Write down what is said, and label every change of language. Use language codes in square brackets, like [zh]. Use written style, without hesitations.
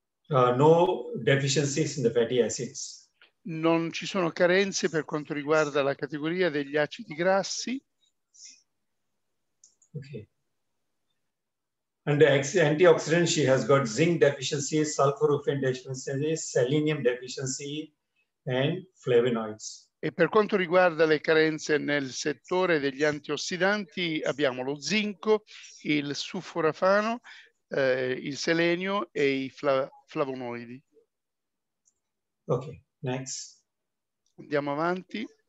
[en] No deficiencies in the fatty acids. [it] Non ci sono carenze per quanto riguarda la categoria degli acidi grassi. Ok. [en] And the antioxidant, she has got zinc deficiency, sulforaphane deficiency, selenium deficiency and flavonoids. [it] E per quanto riguarda le carenze nel settore degli antiossidanti, abbiamo lo zinco, il sulforafano, il selenio e i flavonoidi. [en] Ok, next. [it] Andiamo avanti.